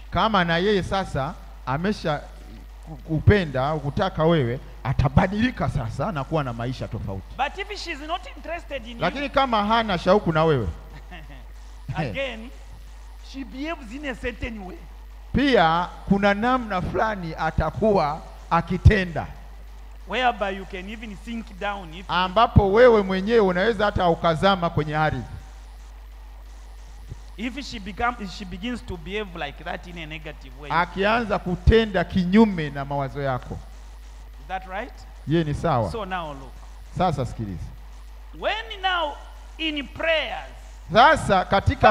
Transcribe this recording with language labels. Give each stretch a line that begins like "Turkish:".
Swahili: Kama na yeye sasa, amesha kupenda kutaka wewe, atabadilika sasa na kuwa na maisha tofauti.
English: But if she is not interested in,
Swahili: lakini
English: you,
Swahili: kama hana shauku na wewe
English: again she behaves in a certain way,
Swahili: pia kuna namna fulani atakuwa akitenda,
English: whereby you can even sink down, if
Swahili: ambapo wewe mwenyewe unaweza hata ukazama kwenye ardhi.
English: If she begins to behave like that in a negative way.
Swahili: Akianza kutenda kinyume na mawazo yako.
English: Is that right?
Swahili: Ye ni sawa.
English: So now look.
Swahili: Sasa sikilize.
English: When now in prayers.
Swahili: Sasa katika